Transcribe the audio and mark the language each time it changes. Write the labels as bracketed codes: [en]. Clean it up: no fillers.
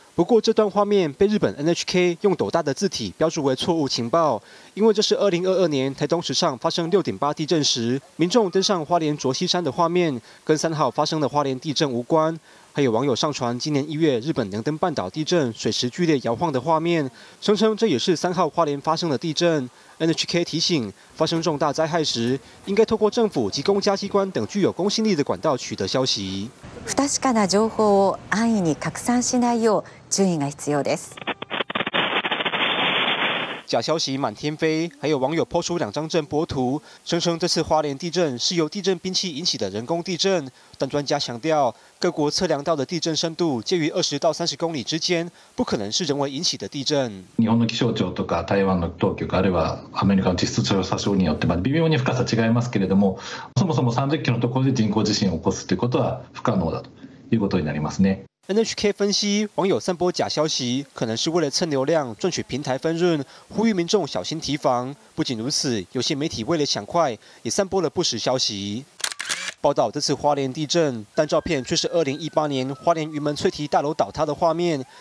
[zh] 不过这段画面被日本 NHK 用斗大的字体标注为错误情报，因为这是2022年台东史上发生 6.8 地震时民众登上花莲卓溪山的画面，跟3号发生的花莲地震无关。还有网友上传今年1月日本能登半岛地震水池剧烈摇晃的画面，声称这也是3号花莲发生的地震。 NHK 提醒，发生重大灾害时应该透过政府及公家机关等具有公信力的管道取得消息。 [ja] 不確かな情報を安易に拡散しないよう注意が必要です。 [zh] 假消息满天飞，还有网友抛出两张震波图，声称这次花莲地震是由地震兵器引起的人工地震。但专家强调，各国测量到的地震深度介于20到30公里之间，不可能是人为引起的地震。 [ja] 日本の気象庁とか台湾の当局あるいはアメリカの地質調査所によって微妙に深さ違いますけれども、そもそも30キロのところで人工地震を起こすということは不可能だということになりますね。 [zh] NHK 分析，网友散播假消息，可能是为了蹭流量赚取平台分润，呼吁民众小心提防。不仅如此，有些媒体为了抢快，也散播了不实消息。报道这次花莲地震，但照片却是2018年花莲云门翠堤大楼倒塌的画面。